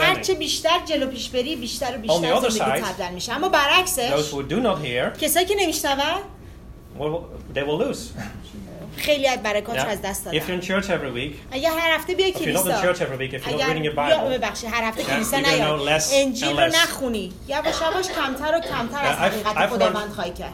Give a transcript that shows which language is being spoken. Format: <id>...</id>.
<fa>هرچه بیشتر جلو پیش بری، بیشتر و بیشتر زندگی تبدیل میشه. اما برعکسش.</fa> <en>Those who do not hear.</en> <fa>کسایی که نمیشنون.</fa> <en>They will lose.</en> <fa>خیلی از برکات رو از دست دادن.</fa> <en>If you're in church every week.</en> <fa>اگر هر هفته بیای کلیسا.</fa> <en>If you're not in church every week, if you're not reading your Bible.</en> <fa>یا ببخشید هر هفته کلیسا نیای. انجیل رو نخونی. یواش یواش کمتر و کمتر از حقیقت خداوند خواهی کرد.</fa>